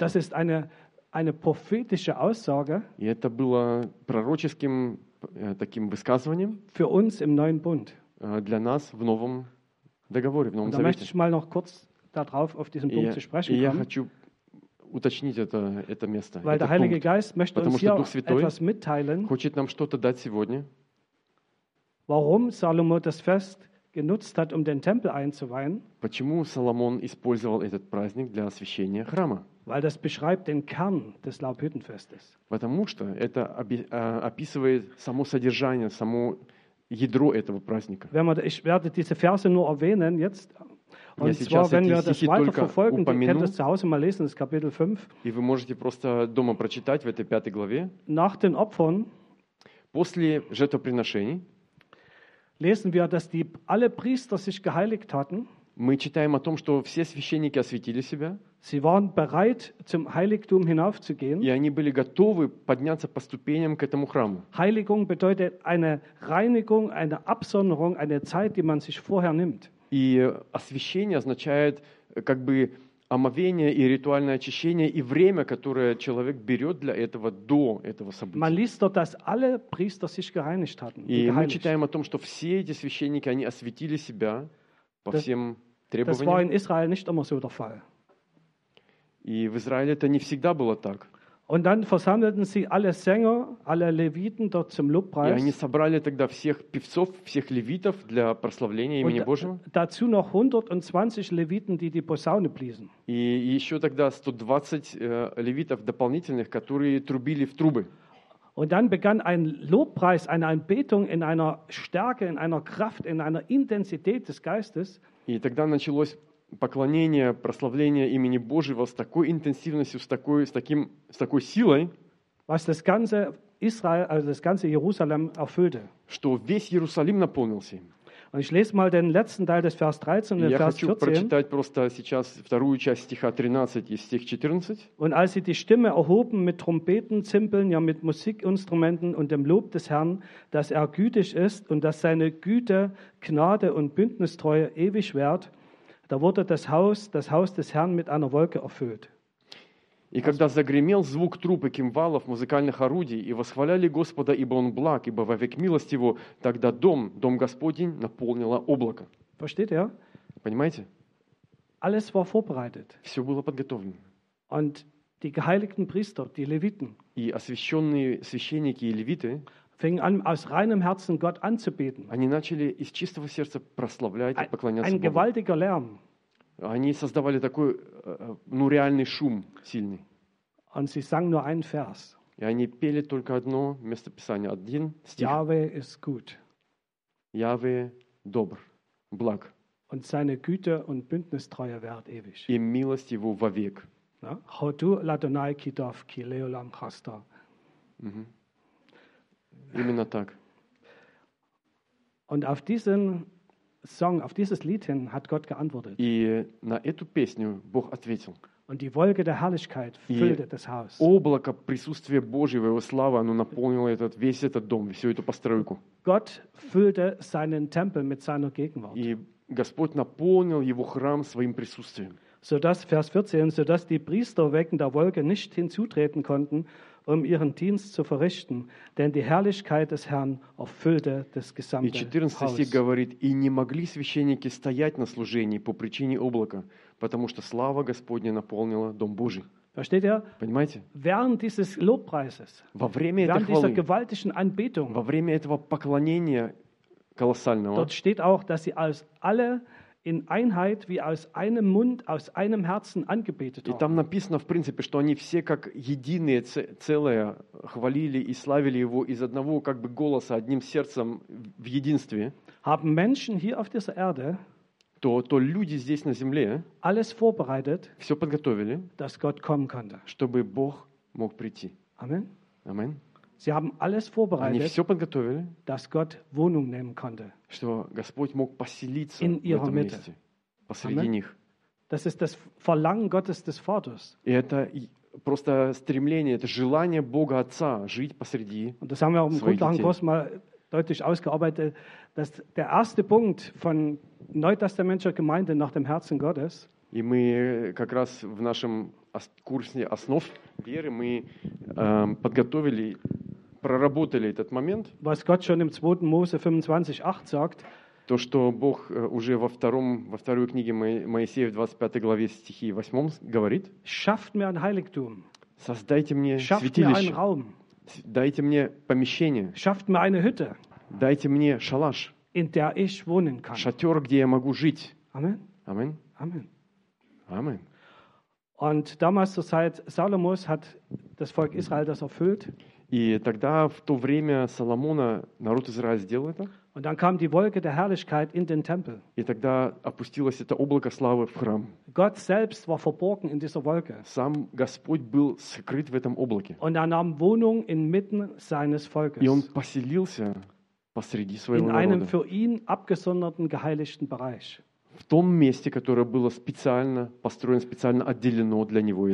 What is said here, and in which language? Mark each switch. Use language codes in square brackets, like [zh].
[de] Das ist eine prophetische Aussage. [ru] И это было пророческим таким высказыванием. [de] Für uns im neuen Bund. [ru] Для нас в новом договоре, в новом завете. [de] Da möchte ich mal noch kurz darauf auf diesen Punkt zu sprechen kommen. [ru] Я хочу уточнить это место. [de] Weil der Heilige Geist möchte uns hier etwas mitteilen. [ru] Хочет нам что-то дать сегодня. [de] Warum Salomo das Fest genutzt hat, um den Tempel einzuweihen? [ru] Почему Соломон использовал этот праздник для освящения храма? [de] Weil das beschreibt den Kern des Laubhüttenfestes. [ru] Потому что это описывает само содержание, само ядро этого праздника. [de] Ich werde diese Verse nur erwähnen jetzt. Und [ru] я [de] zwar, wenn wir das weiter verfolgen, [ru] упомяну, [de] könnt ihr das zu Hause mal lesen, das Kapitel 5. [ru] И вы можете просто дома прочитать в этой пятой главе. [de] Nach den Opfern. [ru] После жертвоприношений. [de] Lesen wir, dass die alle Priester sich geheiligt hatten. [ru] Мы читаем о том, что все священники освятили себя. [de] Sie waren bereit, zum Heiligtum hinaufzugehen. [ru] И они были готовы подняться по ступеням к этому храму. [de] Heiligung bedeutet eine Reinigung, eine Absonderung, eine Zeit, die man sich vorher nimmt. [ru] И освящение означает как бы омовение и ритуальное очищение и время, которое человек берет для этого до этого события. [de] Man liest dort, dass alle Priester sich geheiligt hatten. [ru] И мы читаем о том, что все эти священники, они освятили себя по всем требованиям. [de] Das war in Israel nicht immer so der Fall. [ru] И в Израиле это не всегда было так. [de] Und dann versammelten sie alle Sänger, alle Leviten dort zum Lobpreis. [ru] И они собрали тогда всех певцов, всех левитов для прославления имени Божьего. [de] Dazu noch 120 Leviten, die die Posaune bliesen. [ru] И еще тогда 120 левитов дополнительных, которые трубили в трубы. [de] Und dann begann ein Lobpreis, eine Anbetung in einer Stärke, in einer Kraft, in einer Intensität des Geistes. [ru] И тогда началось поклонение, прославление имени Божьего с такой интенсивностью, с такой силой, [de] was das ganze Israel, also das ganze Jerusalem erfüllte. [ru] Что весь Иерусалим наполнился. [de] Und ich lese mal den letzten Teil des Vers 13 und Vers 14. [ru] Я хочу прочитать просто сейчас вторую часть стиха 13 и стих 14. [de] Und als sie die Stimme erhoben mit Trompeten, Zimbeln, ja mit Musikinstrumenten und dem Lob des Herrn, dass er gütig ist und dass seine Güte, Gnade und Bündnistreue ewig währt, da wurde das Haus des Herrn mit einer Wolke erfüllt. [ru] И когда загремел звук труб и кимвалов, музыкальных орудий, и восхваляли Господа, ибо Он благ, ибо вовек милость Его, тогда дом Господень наполнило облако. [de] Versteht ihr? [ru] Понимаете? [de] Alles war vorbereitet. [ru] Все было подготовлено. [de] Und die geheiligten Priester, die Leviten, [ru] и освященные священники и левиты, [de] fingen an, aus reinem Herzen Gott anzubeten. [ru] Они начали из чистого сердца прославлять и поклоняться Богу. [de] Ein gewaltiger Lärm. [ru] Они создавали такой, ну, реальный шум сильный. [de] Und sie sangen nur einen Vers. [ru] И они пели только одно местописание, один стих. [de] Яхве ist gut. [ru] Яхве добр, благ. [de] Und seine Güte und Bündnistreue währt ewig. [ru] И милость его вовек. [he] Хоту ладонай китов ки леолам хаста. [ru] Именно так. [de] Und auf diesen Song, auf dieses Lied hin hat Gott geantwortet. [ru] И на эту песню Бог ответил. [de] Und die Wolke der Herrlichkeit füllte das Haus. [ru] Облако присутствия Божьего, его слава, оно наполнило весь этот дом, всю эту постройку. [de] Gott füllte seinen Tempel mit seiner Gegenwart. [ru] И Господь наполнил его храм своим присутствием. [de] So dass Vers 14, so dass die Priester wegen der Wolke nicht hinzutreten konnten, um ihren Dienst zu verrichten, denn die Herrlichkeit des Herrn erfüllte das gesamte Haus. [ru] 14 стих говорит: и не могли священники стоять на служении по причине облака, потому что слава Господня наполнила дом Божий. [de] Versteht ihr? [ru] Понимаете? [de] Während dieses Lobpreises, [ru] во время этой хвалы, [de] dieser gewaltigen Anbetung, [ru] во время этого поклонения колоссального. [de] Dort steht auch, dass sie als alle in Einheit wie aus einem Mund, aus einem Herzen angebetet haben. [ru] И там написано, в принципе, что они все как единое целое хвалили и славили его из одного как бы голоса, одним сердцем в единстве. [de] Haben Menschen hier auf dieser Erde [ru] то люди здесь на земле [de] alles vorbereitet, [ru] все подготовили, [de] dass Gott kommen konnte. [ru] Чтобы Бог мог прийти. Amen. Amen. [de] Sie haben alles vorbereitet, [ru] они все подготовили, [de] dass Gott Wohnung nehmen konnte, [ru] что Господь мог поселиться [de] in [ru] в этом [de] Mitte. [ru] Месте, посреди Amen. Них. [de] Das ist das Verlangen Gottes des Vaters. [ru] И это просто стремление, это желание Бога Отца жить посреди [de] Und das haben wir auch [ru] своих детей. [de] Groß mal deutlich ausgearbeitet, dass der erste Punkt von Neutestamentlicher Gemeinde nach dem Herzen Gottes. [ru] И мы как раз в нашем курсе основ веры мы подготовили, проработали этот момент. [de] Was Gott schon im 2. Mose 25:8 sagt. [ru] То, что Бог уже во второй книге Моисея в 25 главе стихи 8 говорит. [de] Schafft mir ein Heiligtum. [ru] Создайте мне святилище. [de] Schafft mir einen Raum. [ru] Дайте мне помещение. [de] Schafft mir eine Hütte. [ru] Дайте мне шалаш. [de] In der ich wohnen kann. [ru] Шатер, где я могу жить. Amen. Amen. Amen. Amen. [de] Und damals zur Zeit Salomos hat das Volk Israel das erfüllt. [ru] И тогда в то время Соломона народ Израиля сделал это. [de] Und dann kam die Wolke der Herrlichkeit in den Tempel. [ru] И тогда опустилось это облако славы в храм. [de] Gott selbst war verborgen in dieser Wolke. [ru] Сам Господь был скрыт в этом облаке. [de] Und er nahm Wohnung inmitten seines Volkes. [ru] И он поселился посреди своего народа. [de] In einem [ru] народа. [de] Für ihn abgesonderten geheiligten Bereich. [ru] В том месте, которое было специально построено, специально отделено для него и